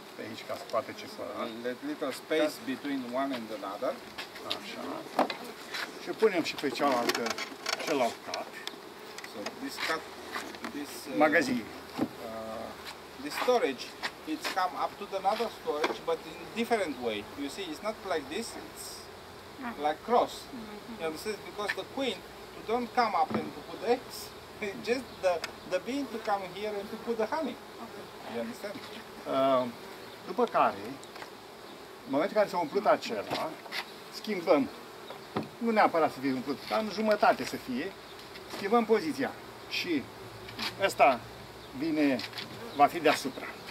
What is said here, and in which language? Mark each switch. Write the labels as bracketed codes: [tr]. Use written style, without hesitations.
[ro] pe aici ca să poată cifra. [en] That little space between one and another. [ro] Așa. Și punem și pe cealaltă, celălalt cap. [en] So this cap, this [ro] magazin. [en] The storage, it's come up to the another storage, but in different way. You see, it's not like this, it's like cross. You understand? Because the queen, to don't come up and to put eggs, just the bean to come here and to put the honey. Okay. You understand? [ro] După care, în momentul în care s-a umplut acela, schimbăm, nu neapărat să fie umplut, dar în jumătate să fie, schimbăm poziția și ăsta vine, va fi deasupra.